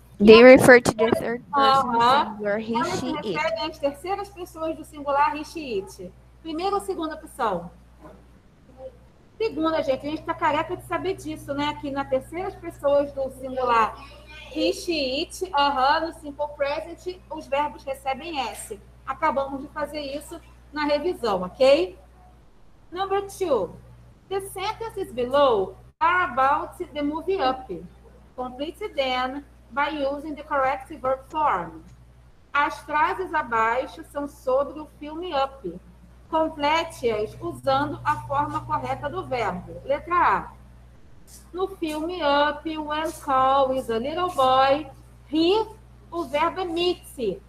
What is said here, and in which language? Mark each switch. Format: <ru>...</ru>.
<en>They refer to the third person singular, he, she, it.</en> <pt>Elas referem às terceiras pessoas do singular, he, she, it. Primeira ou segunda opção? Segunda, gente. A gente está careca de saber disso, né? Que na terceira as pessoas do singular, he, she, it, no simple present, os verbos recebem S. Acabamos de fazer isso na revisão, ok?</pt> <en>Number two. The sentences below are about the movie Up. Complete them by using the correct verb form.</en> <pt>As frases abaixo são sobre o filme Up. Complete-as usando a forma correta do verbo. Letra A. No filme Up,</pt> <en>when Carl is a little boy, he,</en> <pt>o verbo é meet.</pt>